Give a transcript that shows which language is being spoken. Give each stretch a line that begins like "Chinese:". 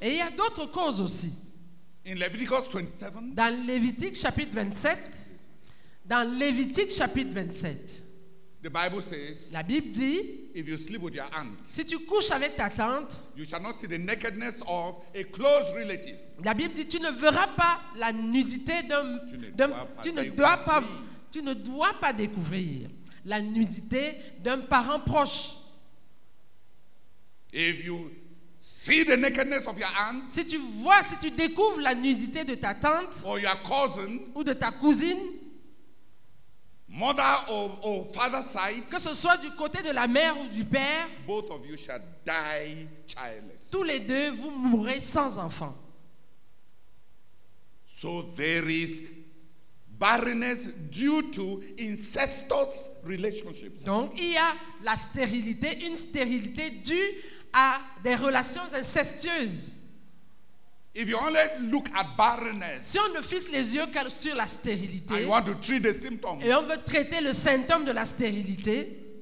French: Et il y a d'autres causes aussi.
English: In Leviticus 27.
French: Dans Lévitique chapitre 27. Dans Lévitique chapitre 27.
English: The Bible says,
French: la Bible dit,
English: if you sleep with your aunt,
French: si tu couches avec ta tante,
English: you shall not see the nakedness of a close relative.
French: La Bible dit, tu ne verras pas la nudité d'un, tu ne dois pas découvrir la nudité d'un parent proche.
English: If you see the nakedness of your aunt,
French: si tu vois, si tu découvres la nudité de ta tante,
English: or your cousin,
French: ou de ta cousine.
English: Mother or father's side,
French: que ce soit du côté de la mère ou du père,
English: both of you shall die childless.
French: Tous les deux, vous mourrez sans enfant.
English: So there is barrenness due to incestuous relationships.
French: Donc il y a la stérilité, une stérilité due à des relations incestueuses.
English: If you only look at barrenness,
French: si on ne fixe les yeux que sur la stérilité,
English: and you want to treat the symptoms,
French: et on veut traiter le symptôme de la stérilité,